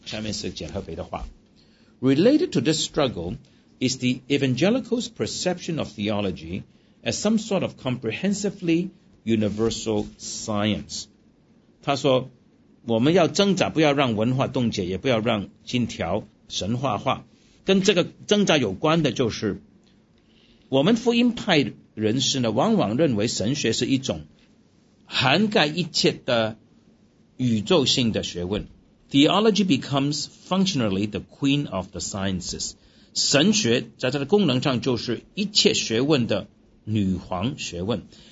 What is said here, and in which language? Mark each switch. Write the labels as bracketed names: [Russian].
[Chinese] 下面是简和培的话， [English] Related to this struggleis the evangelical's perception of theology as some sort of comprehensively universal science. [Chinese] 他说我们要挣扎，不要让文化冻结，也不要让金条神话化。跟这个挣扎有关的就是，我们福音派人士呢，往往认为神学是一种涵盖一切的宇宙性的学问。 [English] Theology becomes functionally the queen of the sciences. [Chinese] 神学在它的功能上就是一切学问的女皇学问。